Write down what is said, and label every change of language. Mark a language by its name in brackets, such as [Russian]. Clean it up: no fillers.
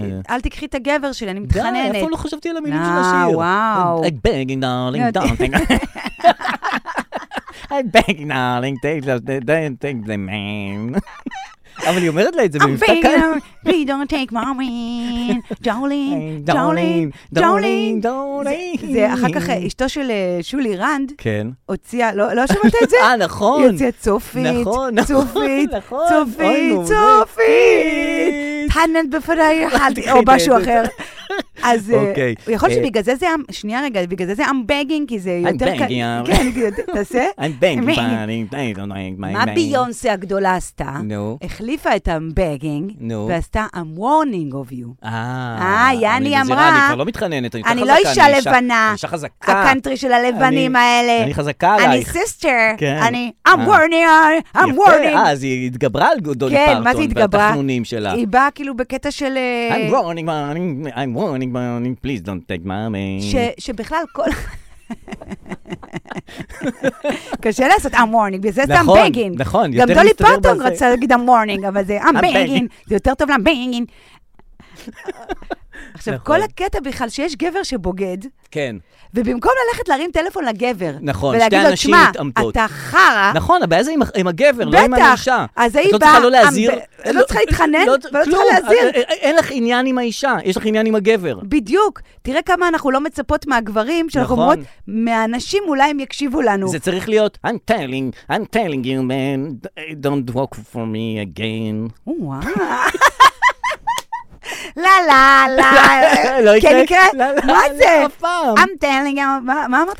[Hebrew] אל תקחי את הגבר שלי, אני מתחננת. איפה לא חשבתי על המילים של השיר? וואו. [English] I'm begging, darling, don't think... I'm begging, darling, take the man. [Hebrew] אבל היא אומרת לה את זה במבטא כאן. [English] Please don't take my man. Jolene, Jolene, Jolene, Jolene. [Hebrew] זה אחר כך אשתו של שולי רנד. כן. הוציאה, לא שמעת את זה? אה, נכון. היא הוציאה צופית. נכון, נכון. צופית, צופית, צופית. פנט בפני אחד, או משהו אחר. אז הוא יכול שבגלל זה, שנייה רגע, בגלל זה [English] I'm begging, [Hebrew] כי זה יותר כאן. כן, תעשה. [English] I'm begging. [Hebrew] מה ביונסה הגדולה עשתה? נו. החליפה את [English] I'm begging, [Hebrew] ועשתה [English] I'm warning of you. [Hebrew] יאני אמרה. אני כבר לא מתחננת, אני לא אישה לבנה. אני אישה חזקה. הקאנטרי של הלבנים האלה. אני חזקה עלייך. אני סיסטר. אני [English] I'm warning, I'm warning. [Hebrew] אז היא התגברה על דולי פרטון. כן, מה זה התגברה? והתכנונים שלה. היא באה כאילו בקטע של [English] I'm warning, I'm warning, I'm warning, please don't take my man. [Hebrew] שבכלל כל קשה לעשות [English] I'm warning, [Hebrew] וזה זה [English] I'm begging. [Hebrew] נכון, גם דולי פרטון רצה להגיד [English] I'm warning, [Hebrew] אבל זה [English] I'm begging, [Hebrew] זה יותר טוב I'm begging. עכשיו, כל הקטע בכלל שיש גבר שבוגד, כן. ובמקום ללכת להרים טלפון לגבר, נכון, ולהגיד לו, שמע, אתה חרה. נכון, הבעיה זה עם הגבר, בטח. לא עם האישה. אז היא לא באה, צריכה לא להזיר. לא צריכה להתחנן, ולא צריכה להזיר. אין לך עניין עם האישה, יש לך עניין עם הגבר. בדיוק. תראה כמה אנחנו לא מצפות מהגברים, שאנחנו נכון. אומרות, מהאנשים אולי הם יקשיבו לנו. [English] זה צריך להיות, I'm telling you, man, don't walk for me again. [Hebrew] וואו. לא, לא, לא. לא יקרה? כן יקרה? מה זה? הפעם. [English] I'm telling you, [Hebrew] מה אמרת?